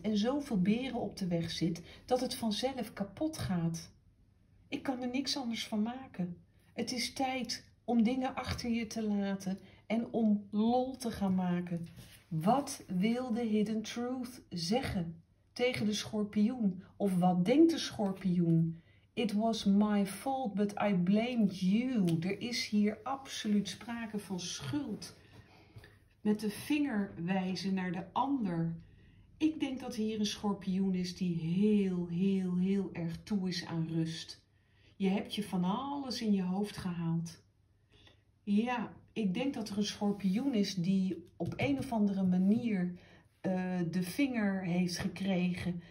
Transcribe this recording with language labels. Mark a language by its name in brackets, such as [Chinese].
[Dutch] En zoveel beren op de weg zit. Dat het vanzelf kapot gaat. Ik kan er niks anders van maken. Het is tijd om dingen achter je te laten en om lol te gaan maken. Wat wil de Hidden Truth zeggen tegen de schorpioen? Of wat denkt de schorpioen? [English] It was my fault, but I blamed you. [Dutch] Er is hier absoluut sprake van schuld. Met de vinger wijzen naar de ander. Ik denk dat hier een schorpioen is die heel erg toe is aan rust. Je hebt je van alles in je hoofd gehaald. Ja, ik denk dat er een schorpioen is die op een of andere manier de vinger heeft gekregen.